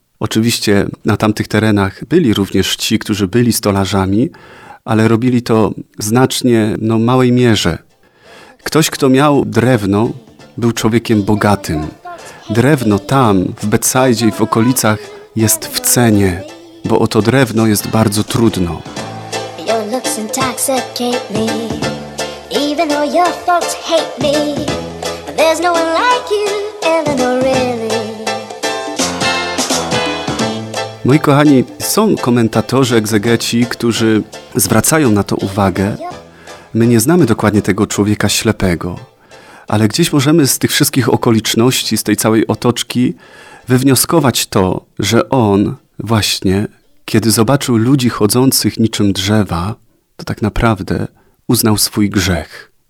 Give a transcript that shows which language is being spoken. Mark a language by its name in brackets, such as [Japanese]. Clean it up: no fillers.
[Polish] Oczywiście na tamtych terenach byli również ci, którzy byli stolarzami, ale robili to znacznie, no, małej mierze. Ktoś, kto miał drewno, był człowiekiem bogatym. Drewno tam, w Betsajdzie i w okolicach jest w cenie, bo oto drewno jest bardzo trudno. [English] Your looks intoxicate me, even though your folks hate me. There's no one like you, Eleanor, really. [Polish] Moi kochani, są komentatorzy, egzegeci, którzy zwracają na to uwagę. My nie znamy dokładnie tego człowieka ślepego, ale gdzieś możemy z tych wszystkich okoliczności, z tej całej otoczki wywnioskować to, że on właśnie, kiedy zobaczył ludzi chodzących niczym drzewa, to tak naprawdę uznał swój grzech.